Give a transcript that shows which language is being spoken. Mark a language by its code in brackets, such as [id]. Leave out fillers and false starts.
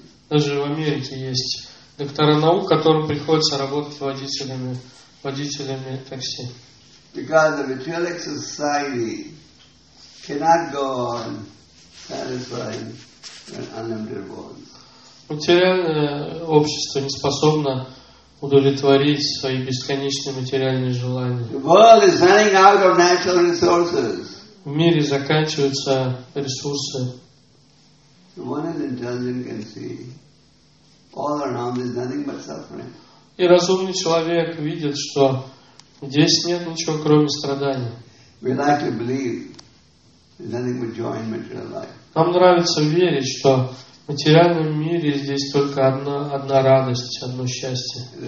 [ru] Даже в Америке есть доктора наук, которым приходится работать водителями такси. [en] Because the materialistic society cannot go on satisfying unlimited wants. [ru] Материальное общество не способно удовлетворить свои бесконечные материальные желания. [en] The world is running out of natural resources. [ru] В мире заканчиваются ресурсы. И разумный человек видит, что здесь нет ничего, кроме страданий. Нам нравится верить, что в материальном мире здесь только одна радость, одно счастье.